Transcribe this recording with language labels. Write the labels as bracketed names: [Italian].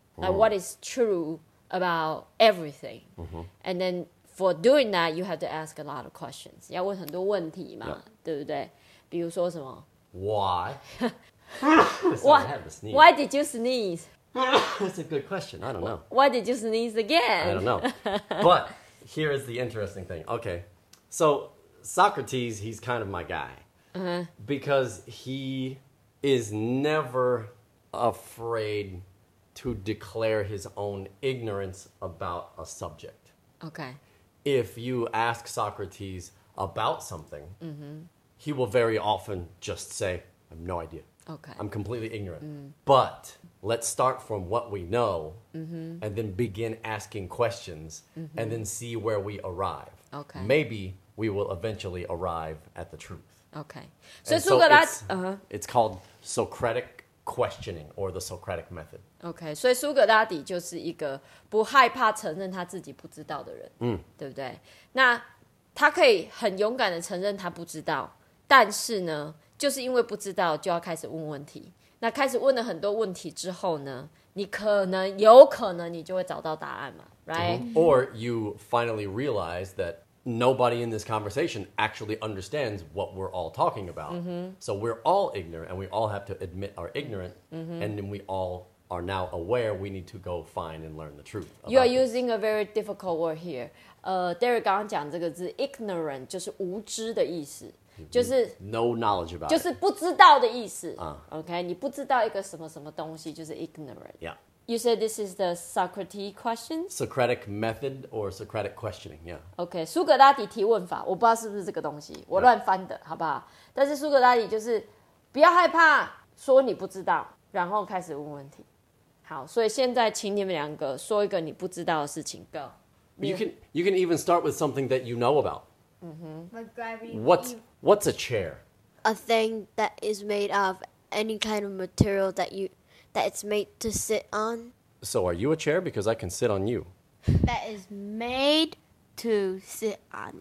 [English] Like what is true about everything? Mm-hmm. And then for doing that, you have to ask a lot of questions. [Chinese] 要问很多问题嘛， yep. 对不对？比如说什么？ [English] Why? Sorry, why did you sneeze? That's a good question. I don't know. Why did you sneeze again? I don't know. But here is the interesting thing. Okay. So Socrates, he's kind of my guy. Uh-huh. Because he is never afraid to declare his own ignorance about a subject. Okay. If you ask Socrates about something, mm-hmm. he will very often just say, I have no idea. Okay. I'm completely ignorant. Mm. But let's start from what we know, mm-hmm. and then begin asking questions, mm-hmm. and then see where we arrive. Okay. Maybe we will eventually arrive at the truth. Okay. So, so that, it's called Socratic questioning or the Socratic method. Okay. [Chinese] So Socrates 就是一个不害怕承认他自己不知道的人，嗯，对不对？那他可以很勇敢的承认他不知道，但是呢？就是因为不知道就要开始问问题，那开始问了很多问题之后呢，你可能有可能你就会找到答案嘛， [English] right? Mm-hmm. Or you finally realize that nobody in this conversation actually understands what we're all talking about. Mm-hmm. So we're all ignorant and we all have to admit our ignorance. Mm-hmm. And then we all are now aware we need to go find and learn the truth. You are using a very difficult word here. [Chinese] Derek 刚刚讲这个字 ignorant 就是无知的意思。就是 [English] no knowledge about [Chinese] 就是不知道的意思、 [English] OK [Chinese] 你不知道一个什么什么东西就是 ignorant、 [English] yeah. You said this is the Socrates question? Socratic method or Socratic questioning、yeah. [Chinese] OK 苏格拉底提问法我不知道是不是这个东西我乱翻的、 [English] yeah. [Chinese] 好不好但是苏格拉底就是不要害怕说你不知道然后开始问问题好所以现在请你们两个说一个你不知道的事情 [English] Go you can even start with something that you know about Mm-hmm. What's a chair? A thing that is made of any kind of material that it's made to sit on. So are you a chair? Because I can sit on you. That is made to sit on.